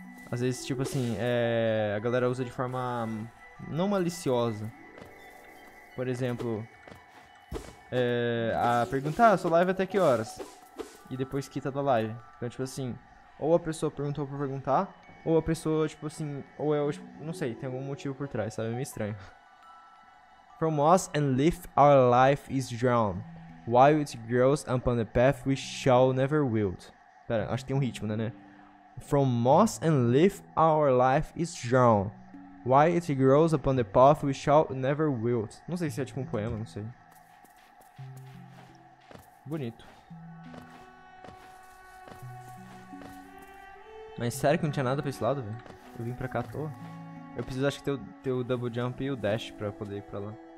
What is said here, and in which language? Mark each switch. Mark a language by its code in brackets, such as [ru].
[pt] Às vezes, tipo assim, a galera usa de forma não maliciosa. Por exemplo, a pergunta, sua live até que horas? E depois quita da live. Então, tipo assim, ou a pessoa perguntou pra perguntar, ou a pessoa, tipo assim, ou eu, tipo, não sei, tem algum motivo por trás, sabe? É meio estranho. [en] From us and live, our life is drowned. While it grows upon the path we shall never wield. [pt] Pera, acho que tem um ritmo, né? [en] From moss and leaf our life is drawn. While it grows upon the path we shall never wield. [pt] Não sei se é tipo um poema, não sei. Bonito. Mas sério que não tinha nada pra esse lado, velho? Eu vim pra cá à toa. Eu preciso, acho que, ter o double jump e o dash pra poder ir pra lá.